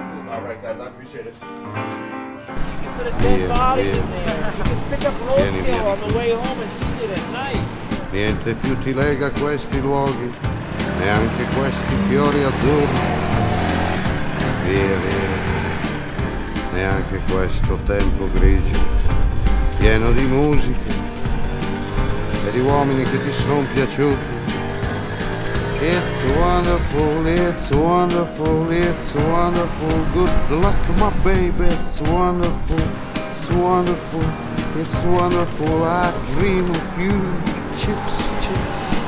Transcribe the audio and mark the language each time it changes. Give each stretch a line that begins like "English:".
English: All right, guys. I appreciate it. Put a dead body in there. You can pick up roadkill on the way home and eat it at night.
Italian: Niente più ti lega questi luoghi, neanche questi fiori azzurri. Via, via, neanche questo tempo grigio, pieno di musica e di uomini che ti sono piaciuti.
English: It's wonderful, it's wonderful, it's wonderful. Good luck, my baby, it's wonderful. It's wonderful, it's wonderful. I dream of you, chips, chips.